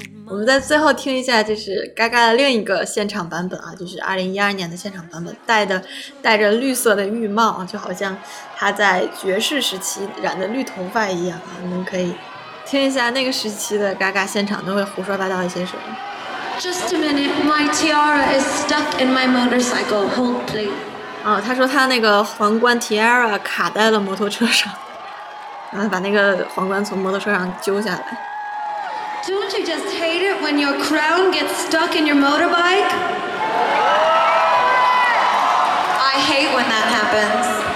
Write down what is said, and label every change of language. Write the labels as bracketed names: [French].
[Chinese] 我们在最后听一下就是嘎嘎的另一个现场版本啊，就是2012年的现场版本，戴着绿色的浴帽啊，就好像他在爵士时期染的绿头发一样啊。你们可以听一下那个时期的嘎嘎现场都会胡说八道一些什么。 [English] Just a minute, my tiara is stuck in my motorcycle, hold please. [Chinese] 他说他那个皇冠 tiara 卡在了摩托车上，然后把那个皇冠从摩托车上揪下来。 [English] Don't you just hate it when your crown gets stuck in your motorbike? I hate when that happens.